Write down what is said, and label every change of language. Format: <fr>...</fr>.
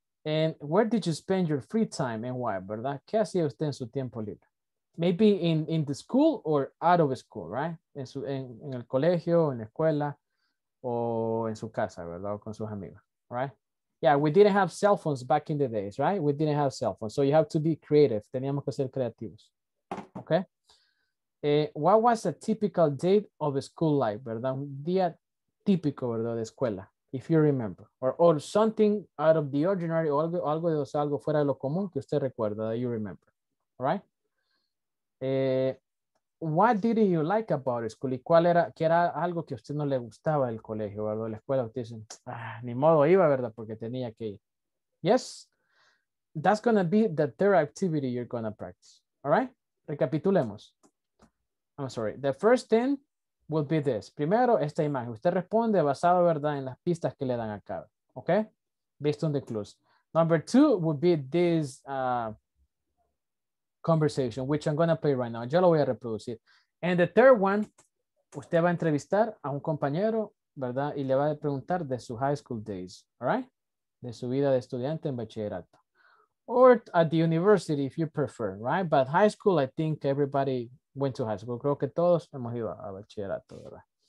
<en>And where did you spend your free time and why, verdad?</en> <es>¿Qué hacía usted en su tiempo libre?</es> <en>Maybe in the school or out of school, right?</en> <es>En su, en el colegio, en la escuela, o en su casa, verdad? O con sus amigos, right?</es> <en>Yeah, we didn't have cell phones back in the days, right? We didn't have cell phones. So you have to be creative.</en> <es>Teníamos que ser creativos.</es> <en>Okay? What was a typical day of school life, verdad?</en> <es>Un día típico, verdad, de escuela,</es> <en>if you remember. Or something out of the ordinary,</en> <es>o algo, algo, o sea, algo fuera de lo común que usted recuerda,</es> <en>that you remember. All right? What didn't you like about school?</en> <es>¿Y cuál era, qué era algo que a usted no le gustaba del colegio, verdad? La escuela, usted dice, ah, ni modo iba, verdad, porque tenía que ir.</es> <en>Yes? That's going to be the third activity you're going to practice. All right? Recapitulemos. I'm sorry. The first thing will be this.</en> <es>Primero, esta imagen. Usted responde basado, verdad, en las pistas que le dan acá.</es> <en>Okay? Based on the clues. Number two would be this conversation, which I'm going to play right now.</en> <es>Yo lo voy a reproducir.</es> <en>And the third one,</en> <es>usted va a entrevistar a un compañero, verdad, y le va a preguntar de su high school days. All right? De su vida de estudiante en bachillerato.</es> <en>Or at the university, if you prefer, right? But high school, I think everybody went to high school.</en> <es>Creo que todos hemos ido a bachillerato, ¿verdad?</es>